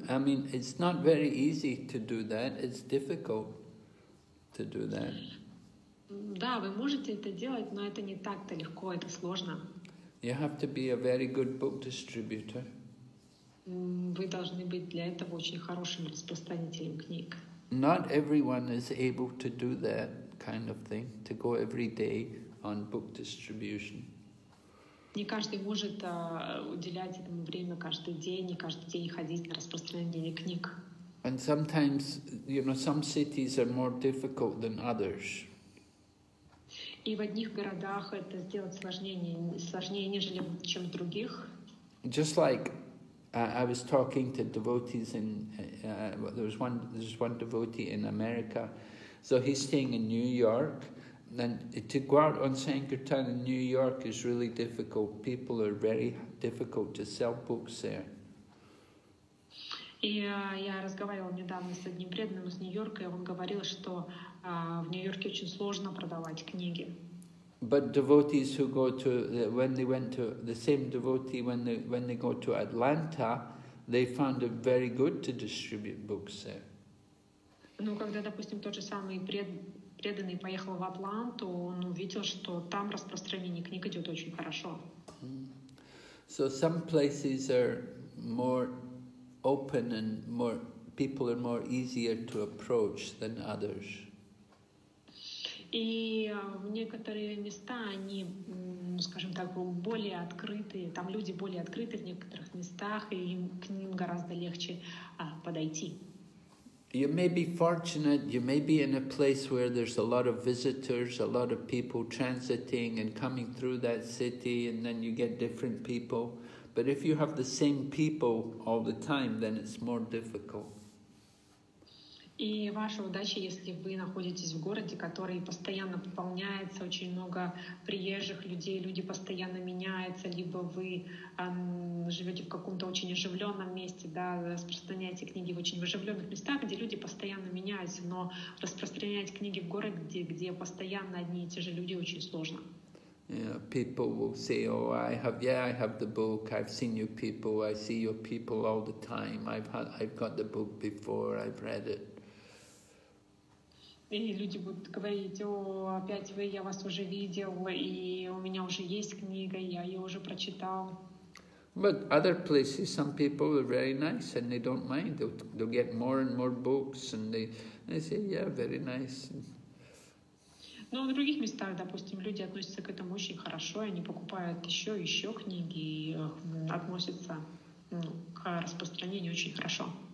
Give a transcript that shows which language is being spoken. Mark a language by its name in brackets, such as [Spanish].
[English] I mean, it's not very easy to do that. It's difficult to do that. [Russian] Да, вы можете это делать, но это не так-то легко, это сложно. [English] You have to be a very good book distributor. [Russian] Вы должны быть для этого очень хорошим распространителем книг. [English] Not everyone is able to do that kind of thing, to go every day on book distribution. [Russian] Не каждый может уделять этому время каждый день ходить на распространение книг. [English] And sometimes, you know, some cities are more difficult than others. [Russian] И в одних городах это сделать сложнее, нежели чем в других. [English] Just like I was talking to devotees in there's one devotee in America. So he's staying in New York, and to go out on Sankirtan in New York is really difficult. People are very difficult to sell books there. [Russian] И я разговаривала недавно с одним преданным из Нью-Йорка, и он говорил, что в Нью-Йорке очень сложно продавать книги. [English] But devotees who go to when they went to the same devotee when they go to Atlanta, they found it very good to distribute books there. [Russian] Ну, когда, допустим, тот же самый преданный поехал в Атланту, он увидел, что там распространение книг идет очень хорошо. [English] So some places are more open and more people are more easier to approach than others. [Russian] И в некоторые места они, скажем так, более открытые, там люди более открыты в некоторых местах, и им к ним гораздо легче подойти. [English] You may be fortunate, you may be in a place where there's a lot of visitors, a lot of people transiting and coming through that city, and then you get different people. But if you have the same people all the time, then it's more difficult. [Russian] И ваша удача, если вы находитесь в городе, который постоянно пополняется, очень много приезжих людей, люди постоянно меняются, либо вы живете в каком-то очень оживленном месте, да, распространяете книги в очень оживленных местах, где люди постоянно меняются, но распространять книги в городе, где постоянно одни и те же люди, очень сложно. [English] Yeah, people will say, oh, I have the book, I've seen your people, I see your people all the time, I've got the book before, I've read it. [Russian] И люди будут говорить, о, опять вы, я вас уже видел, и у меня уже есть книга, я ее уже прочитал. [English] But other places, some people are very nice, and they don't mind. They'll get more and more books, and they say, yeah, very nice. [Russian] Но в других местах, допустим, люди относятся к этому очень хорошо, они покупают еще и еще книги, и относятся к распространению очень хорошо.